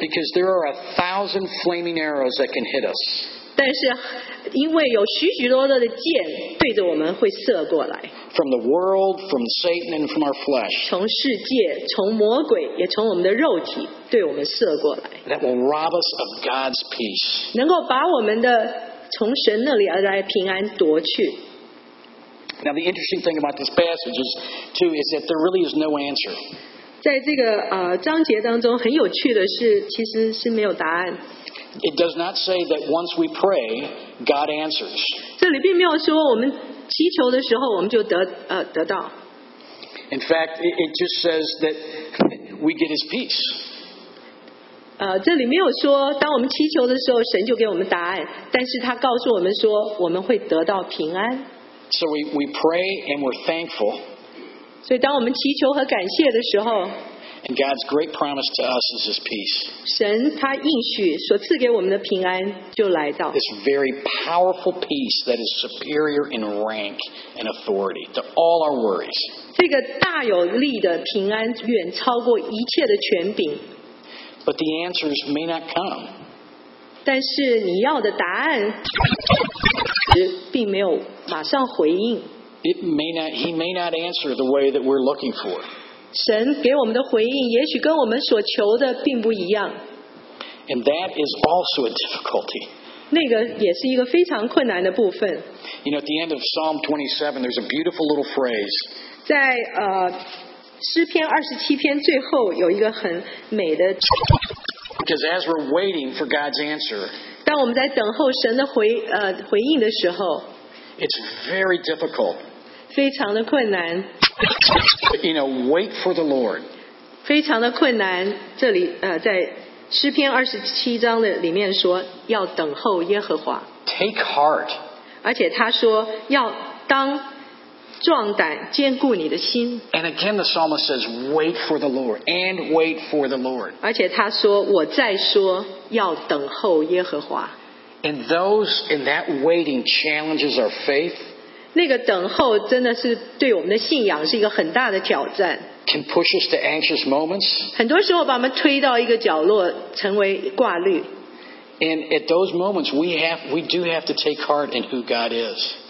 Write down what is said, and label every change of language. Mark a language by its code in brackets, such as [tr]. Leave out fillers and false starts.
[en] Because there are 1,000 flaming arrows that can hit us. [zh] 但是因为有许许多多的箭对着我们会射过来。 [en] From the world, from Satan, and from our flesh. [zh] 从世界，从魔鬼，也从我们的肉体对我们射过来。 [en] That will rob us of God's peace. [zh] 能够把我们的从神那里而来平安夺去。 [en] Now the interesting thing about this passage is, too, is that there really is no answer. [zh] 在这个章节当中很有趣的是，其实是没有答案。 [en] It does not say that once we pray, God answers. [zh] 这里并没有说我们祈求的时候我们就得到。 [en] In fact, it just says that we get His peace. [zh] 这里没有说当我们祈求的时候神就给我们答案，但是他告诉我们说我们会得到平安。 [en] So we pray and we're thankful. [zh] 所以当我们祈求和感谢的时候， [en] And God's great promise to us is His peace. [zh] 神他应许所赐给我们的平安就来到。 [en] This very powerful peace that is superior in rank and authority to all our worries. [zh] 这个大有力的平安远超过一切的权柄。 [en] But the answers may not come. [zh] 但是你要的答案并没有马上回应。 [en] It may not, he may not answer the way that we're looking for. [zh] 神给我们的回应也许跟我们所求的并不一样。 [en] And that is also a difficulty. [zh] 那个也是一个非常困难的部分。 [en] You know, at the end of Psalm 27, there's a beautiful little phrase. [zh] 在诗篇二十七篇最后有一个很美的。 [en] Because as we're waiting for God's answer, [zh] 当我们在等候神的回应的时候， [en] it's very difficult. [zh] 非常的困难。 [en] You know, wait for the Lord. [zh] 非常的困难。这里在诗篇二十七章的里面说要等候耶和华。 [en] Take heart. [zh] 而且他说要当壮胆，坚固你的心。 [en] And again, the psalmist says, "Wait for the Lord, and wait for the Lord." [zh] 而且他说，我再说，要等候耶和华。 [en] And those in that waiting challenges our faith. [zh] 那个等候真的是对我们的信仰是一个很大的挑战。 [en] Can push us to anxious moments. [zh] 很多时候把我们推到一个角落，成为挂虑。 [en] And at those moments, we do have to take heart in who God is.